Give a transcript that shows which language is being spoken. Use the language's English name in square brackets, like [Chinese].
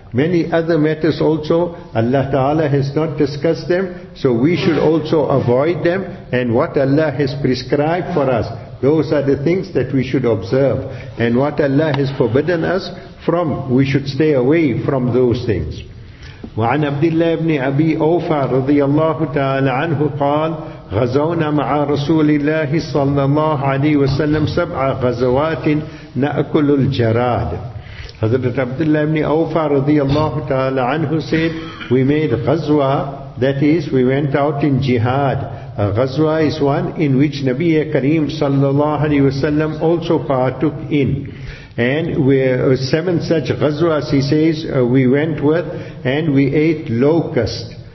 [English] Many other matters also, Allah Ta'ala has not discussed them, so we should also avoid them. And what Allah has prescribed for us, those are the things that we should observe. And what Allah has forbidden us from, we should stay away from those things. [Arabic] وعن عبد الله بن أبي أوفى رضي الله تعالى عنه قال غزونا مع رسول الله صلى الله عليه وسلم سبع غزوات نأكل الجراد. [English] Hazrat Abdullah ibn Awfa radiyallahu ta'ala anhu said, we made ghazwa, that is, we went out in jihad. A ghazwa is one in which Nabiya Kareem sallallahu alayhi wa sallam also partook in. And seven such ghazwas, he says, we went with, and we ate locust.